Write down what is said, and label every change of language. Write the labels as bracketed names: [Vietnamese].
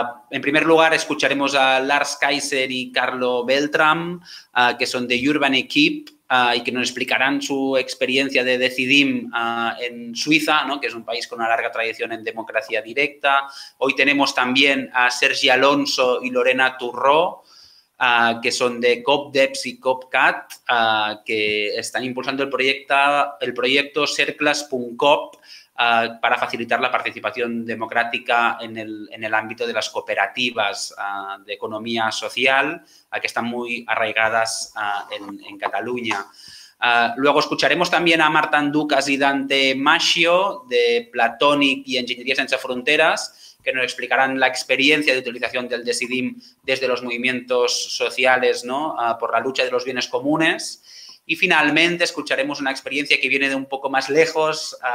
[Spanish] En primer lugar, escucharemos a Lars Kaiser y Carlo Beltram, que son de Urban Equip, y que nos explicarán su experiencia de Decidim en Suiza, ¿no?, que es un país con una larga tradición en democracia directa. Hoy tenemos también a Sergi Alonso y Lorena Turró, [Catalan] que són de COPDEPS i COPCAT, que estan impulsant el projecte cercles.cop per a facilitar la participació democràtica en el àmbit de les cooperatives d'economia social, que estan molt arraigades en Catalunya. [Spanish] Luego escucharemos también a Marta Andúcas y Dante Maschio de Platonic y Ingeniería Sense Fronteras, que nos explicarán la experiencia de utilización del DECIDIM desde los movimientos sociales, ¿no? Por la lucha de los bienes comunes. Y finalmente escucharemos una experiencia que viene de un poco más lejos.